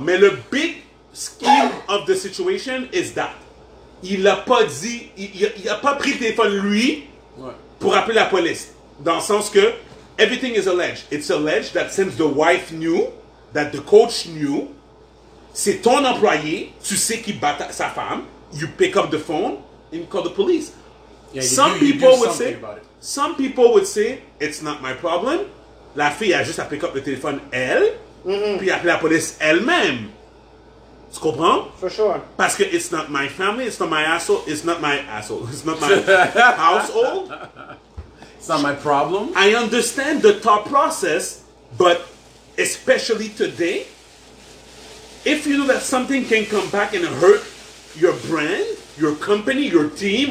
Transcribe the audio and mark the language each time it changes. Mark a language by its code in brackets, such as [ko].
[fr] Mais le [en] big scheme of the situation is that. [fr] Il n'a pas dit... Il a pas pris le téléphone, lui, pour appeler la police. Dans le sens que... [en] Everything is alleged. It's alleged that since the wife knew, that the coach knew, [fr] c'est ton employé, tu sais qu'il bat sa femme, [en] you pick up the phone, and you call the police. Yeah, some people would say... Some people would say, it's not my problem. [fr] La fille a juste à [en] pick up [fr] le téléphone elle, puis appeler la police elle-même. Tu comprends? [en] For sure. [fr] Parce que [en] it's not my family, it's not my asshole, it's not my asshole, it's not my household. It's not my problem. I understand the thought process, but especially today, if you know that something can come back and hurt your brand, your company, your team,